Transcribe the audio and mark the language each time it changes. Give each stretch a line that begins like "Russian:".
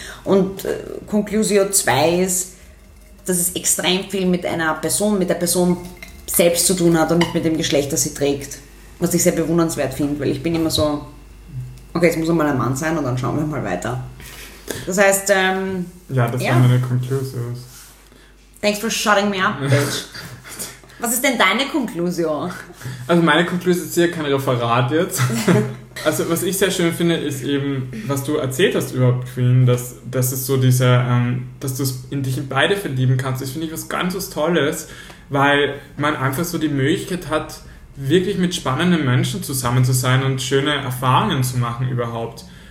German: Und Conclusio 2 ist, dass es extrem viel mit einer Person, mit der Person selbst zu tun hat und nicht mit dem Geschlecht, das sie trägt. Was ich sehr bewundernswert finde, weil ich bin immer so, okay, jetzt muss er mal ein Mann sein und dann schauen wir mal weiter. Das heißt, Waren meine Conclusios.
English: Thanks for shutting me up, bitch.
German: Was ist denn deine Konklusion? Also meine Konklusion ist hier kein Referat jetzt. Also was ich sehr schön finde, ist eben, was du erzählt hast überhaupt, Queen, dass es so dieser, dass du es in dich in beide verlieben kannst. Das finde ich was ganz was Tolles, weil man einfach so die Möglichkeit hat, wirklich mit spannenden Menschen zusammen zu sein und schöne Erfahrungen zu machen überhaupt.